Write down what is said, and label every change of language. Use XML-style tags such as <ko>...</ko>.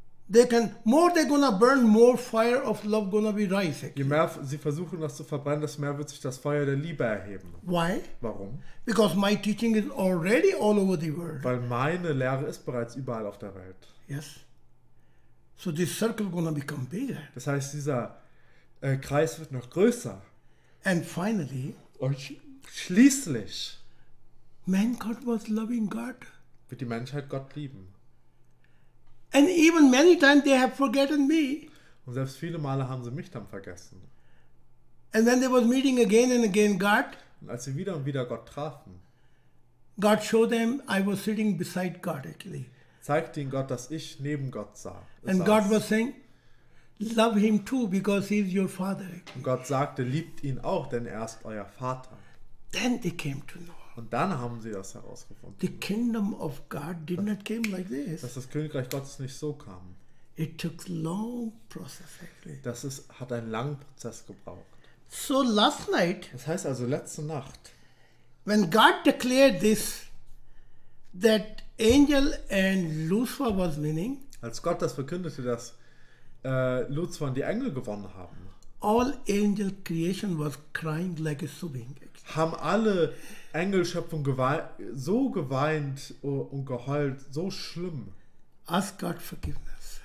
<en>They can more they gonna burn more fire of love gonna be rising.</en> <de>Je mehr sie versuchen das zu verbrennen, desto mehr wird sich das Feuer der Liebe erheben.</de> <en>Why?</en> <de>Warum?</de> <en>Because my teaching is already all over the world.</en> <de>Weil meine Lehre ist bereits überall auf der Welt.</de> <en>Yes. So this circle gonna become bigger.</en> <de>Das heißt, dieser Kreis wird noch größer.</de> <en>And finally.</en> <de>Und schließlich.</de> <en>Man God was loving God.</en> <de>Wird die Menschheit Gott lieben.</de> <en>And even many times they have forgotten me.</en> <de>Und selbst viele Male haben sie mich dann vergessen.</de> <en>And when they were meeting again and again God.</en> <de>Und als sie wieder und wieder Gott trafen.</de> <en>God showed them I was sitting beside God actually.</en> <de>Zeigt ihnen Gott, dass ich neben Gott sah.</de> <en>And God was saying, love him too because he is your father.</en> <de>Und Gott sagte, liebt ihn auch, denn er ist euer Vater.</de> <en>Then they came to know.</en> <de>Und dann haben sie das herausgefunden.</de> <en>The kingdom of God did not came like this.</en> <de>Dass das Königreich Gottes nicht so kam.</de> <en>It took long process actually.</en> <de>Das ist, hat einen langen Prozess gebraucht.</de> <en>So last night.</en> <de>Das heißt also letzte Nacht.</de> <en>When God declared this, that Angel and Lucifer was winning.</en> <de>Als Gott das verkündete, dass Lucifer und die Engel gewonnen haben.</de> <en>All angel creation was crying like a sobbing.</en> <de>Haben alle Engelschöpfung so geweint und geheult, so schlimm.</de> <en>Ask God forgiveness.</en>